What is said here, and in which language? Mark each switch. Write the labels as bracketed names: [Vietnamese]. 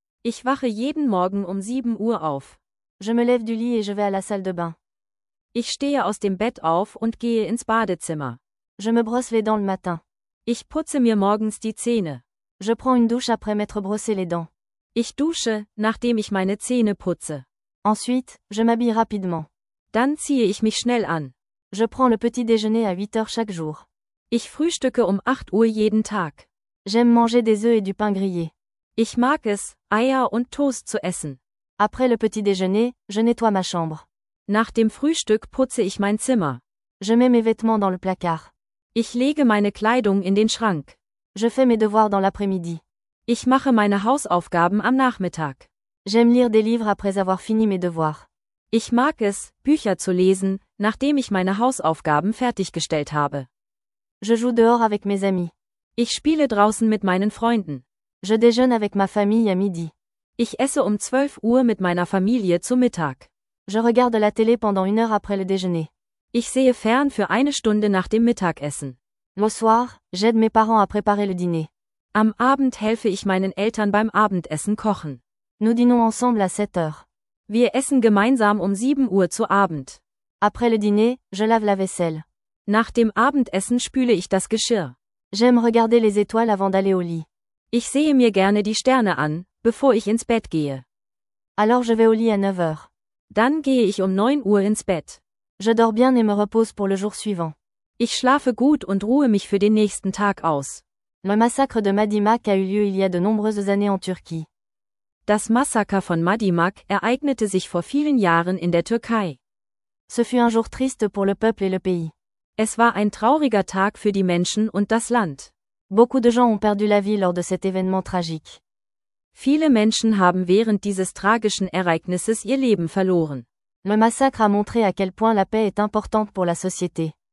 [German] Ich wache jeden Morgen um 7 Uhr auf. [French] Je me lève du lit et je vais à la salle de bain. [German] Ich stehe aus dem Bett auf und gehe ins Badezimmer. [French] Je me brosse les dents le matin. [German] Ich putze mir morgens die Zähne. [French] Je prends une douche après m'être brossé les dents. [German] Ich dusche, nachdem ich meine Zähne putze. [French] Ensuite, je m'habille rapidement. [German] Dann ziehe ich mich schnell an. [French] Je prends le petit déjeuner à 8 heures chaque jour. [German] Ich frühstücke um 8 Uhr jeden Tag. [French] J'aime manger des œufs et du pain grillé. [German] Ich mag es, Eier und Toast zu essen. [French] Après le petit déjeuner, je nettoie ma chambre. [German] Nach dem Frühstück putze ich mein Zimmer. [French] Je mets mes vêtements dans le placard. [German] Ich lege meine Kleidung in den Schrank. [French] Je fais mes devoirs dans l'après-midi. [German] Ich mache meine Hausaufgaben am Nachmittag. [French] J'aime lire des livres après avoir fini mes devoirs. [German] Ich mag es, Bücher zu lesen, nachdem ich meine Hausaufgaben fertiggestellt habe. [French] Je joue dehors avec mes amis. [German] Ich spiele draußen mit meinen Freunden. [French] Je déjeune avec ma famille à midi. [German] Ich esse um 12 Uhr mit meiner Familie zu Mittag. [French] Je regarde la télé pendant une heure après le déjeuner. [German] Ich sehe fern für eine Stunde nach dem Mittagessen. [French] Le soir, j'aide mes parents à préparer le dîner. [German] Am Abend helfe ich meinen Eltern beim Abendessen kochen. [French] Nous dînons ensemble à 7 heures. [German] Wir essen gemeinsam um 7 Uhr zu Abend. [French] Après le dîner, je lave la vaisselle. [German] Nach dem Abendessen spüle ich das Geschirr. [French] J'aime regarder les étoiles avant d'aller au lit. [German] Ich sehe mir gerne die Sterne an, bevor ich ins Bett gehe. [French] Alors je vais au lit à 9 heures. [German] Dann gehe ich um 9 Uhr ins Bett. [French] Je dors bien et me repose pour le jour suivant. [German] Ich schlafe gut und ruhe mich für den nächsten Tag aus. [French] Le massacre de Madimak a eu lieu il y a de nombreuses années en Turquie. [German] Das Massaker von Madimak ereignete sich vor vielen Jahren in der Türkei. [French] Ce fut un jour triste pour le peuple et le pays. [German] Es war ein trauriger Tag für die Menschen und das Land. [French] Beaucoup de gens ont perdu la vie lors de cet événement tragique. [German] Viele Menschen haben während dieses tragischen Ereignisses ihr Leben verloren. [French] Le massacre a montré à quel point la paix est importante pour la société.